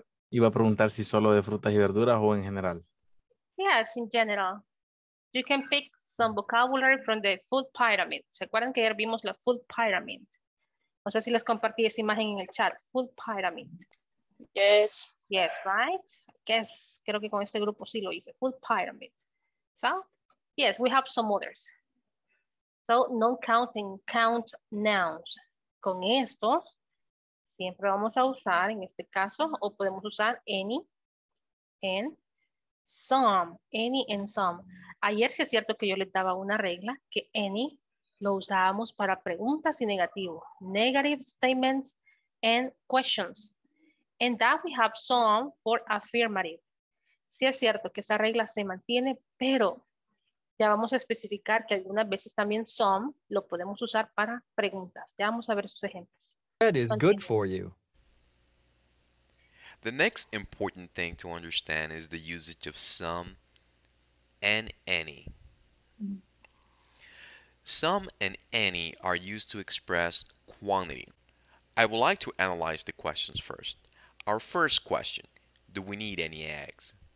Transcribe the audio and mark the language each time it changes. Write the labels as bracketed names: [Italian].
[Spanish] Iba a preguntar si solo de frutas y verduras o en general. [English] Yes, in general. You can pick some vocabulary from the food pyramid. [Spanish] ¿Se acuerdan que ayer vimos la food pyramid? No sé si les compartí esa imagen en el chat. [English] Food pyramid. Yes. Yes, right? Yes, [Spanish] creo que con este grupo sí lo hice. [English] Food pyramid. So, yes, we have some others. So, non-counting count nouns. [Spanish] Con estos, siempre vamos a usar, en este caso, o podemos usar [English] any and some. Any and some. [Spanish] Ayer sí es cierto que yo les daba una regla, que any lo usábamos para preguntas y negativo. [English] Negative statements and questions. And that we have some for affirmative. [Spanish] Sí es cierto que esa regla se mantiene, pero ya vamos a especificar que algunas veces también some lo podemos usar para preguntas. Ya vamos a ver sus ejemplos. [English] Bread is good for you. The next important thing to understand is the usage of some and any. Some and any are used to express quantity. I would like to analyze the questions first. Our first question, do we need any eggs?